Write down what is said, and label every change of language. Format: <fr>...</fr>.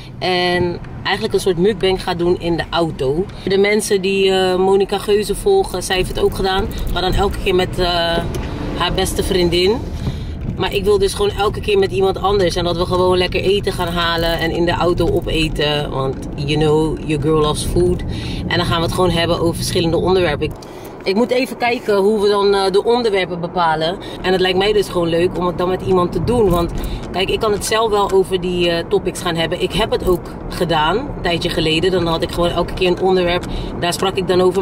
<nl>En eigenlijk een soort mukbang gaat doen in de auto. De mensen die Monica Geuze volgen, zij heeft het ook gedaan. Maar dan elke keer met haar beste vriendin. Maar ik wil dus gewoon elke keer met iemand anders. En dat we gewoon lekker eten gaan halen en in de auto opeten. Want</nl> <en>you know, your girl loves food.</en> <nl>En dan gaan we het gewoon hebben over verschillende onderwerpen. Ik moet even kijken hoe we dan de onderwerpen bepalen. En het lijkt mij dus gewoon leuk om het dan met iemand te doen. Want kijk, ik kan het zelf wel over die topics gaan hebben. Ik heb het ook gedaan, een tijdje geleden. Dan had ik gewoon elke keer een onderwerp. Daar sprak ik dan over.</nl>